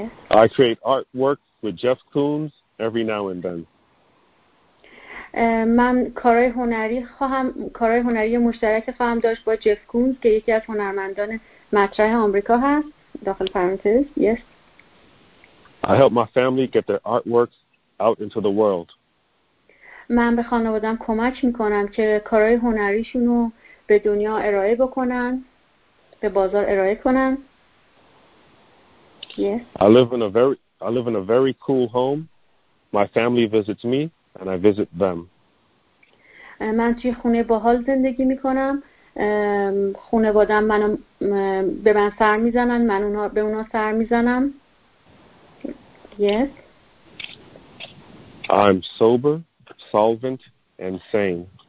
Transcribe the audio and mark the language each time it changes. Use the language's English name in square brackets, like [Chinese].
[English] I create artwork with Jeff Koons every now and then. [Persian] من کارهای هنری مشترک خواهم داشت با جف کونز که یکی از هنرمندان مطرح آمریکا هست. داخل پرانتز. [English] Yes. I help my family get their artworks out into the world. [Persian] من به خانوادم کمک میکنم که کارهای هنریشون رو به دنیا ارائه بکنن، به بازار ارائه کنن. [English] Yes. I live in a very cool home. My family visits me and I visit them. [Persian] من توی خونه باحال زندگی میکنم. خانوادم منو به من سر میزنن، من اونا به اونا سر میزنم. [English] Yes. I'm sober, solvent and sane.